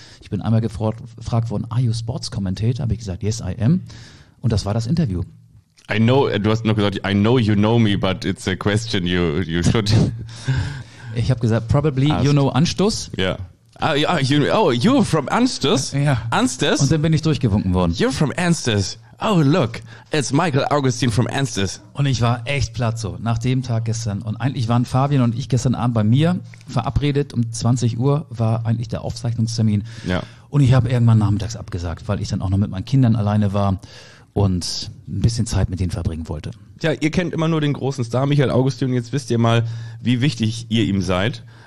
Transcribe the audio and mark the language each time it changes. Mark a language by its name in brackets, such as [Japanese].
[German] Ich bin einmal gefragt worden, [English] are you sports commentator? [German] Habe ich gesagt, [English] yes I am. [German] Und das war das Interview. [English] I know, [German] du hast noch gesagt, [English] I know you know me, but it's a question you should. [German] Ich habe gesagt, [English] probably asked. You know Anstoß. Ja. Yeah. You're from Anstoß? [German] Ja. Anstoß? Und dann bin ich durchgewunken worden. [English] You're from Anstoß. Oh, look, it's Michael Augustin from Anstoß. [German] Und ich war echt platt so, nach dem Tag gestern. Und eigentlich waren Fabian und ich gestern Abend bei mir verabredet. Um 20 Uhr war eigentlich der Aufzeichnungstermin. Ja. Und ich habe irgendwann nachmittags abgesagt, weil ich dann auch noch mit meinen Kindern alleine war und ein bisschen Zeit mit denen verbringen wollte. Tja, ihr kennt immer nur den großen Star Michael Augustin. Jetzt wisst ihr mal, wie wichtig ihr ihm seid.